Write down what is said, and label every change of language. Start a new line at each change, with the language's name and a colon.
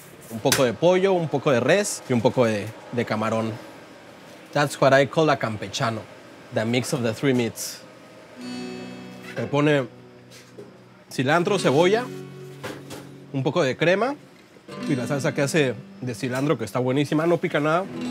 Spanish: Un poco de pollo, un poco de res, y un poco de camarón.
English: That's what I call a campechano, the mix of the three meats.
Spanish: Se pone cilantro, cebolla, un poco de crema, y la salsa que hace de cilantro, que está buenísima, no pica nada.